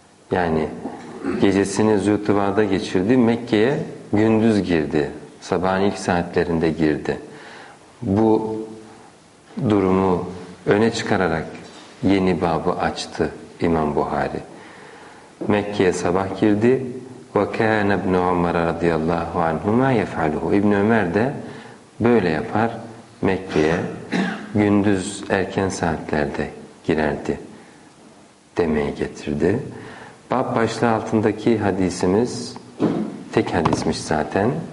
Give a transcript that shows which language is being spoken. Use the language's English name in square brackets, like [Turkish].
[Turkish] Yani gecesini Zûtıva'da geçirdi. Mekke'ye gündüz girdi. Sabahın ilk saatlerinde girdi. Bu durumu öne çıkararak yeni babı açtı İmam Buhari. Mekke'ye sabah girdi. [Arabic] وَكَانَ اِبْنُ عُمَرَ رَضِيَ اللّٰهُ عَنْهُمَا يَفْعَلُهُ [Turkish] İbn Ömer de böyle yapar. Mekke'ye gündüz erken saatlerde girerdi demeye getirdi. Bab başlığı altındaki hadisimiz tek hadismiş zaten.